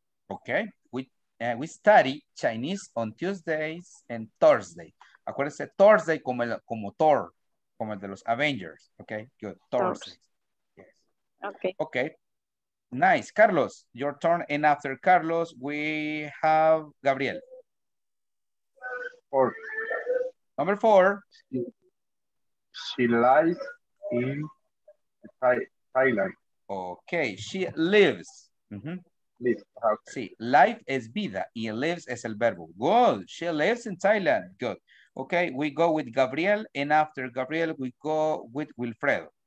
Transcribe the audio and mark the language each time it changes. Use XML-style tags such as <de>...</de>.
<en>Okay, we study Chinese on Tuesdays and Thursday.</en> <es>Acuérdense, Thursday como Thor, como el de los Avengers.</es> <en>Ok, good. Thursday. Yes. Ok. Ok. Nice. Carlos, your turn. And after Carlos, we have Gabriel. Four. Number four. She lies in Thailand. Ok, she lives. Mm-hmm.</en> <es>Sí, life es vida y lives es el verbo.</es> <en>Good. She lives in Thailand. Good. Okay, we go with Gabriel, and after Gabriel, we go with Wilfredo.</en>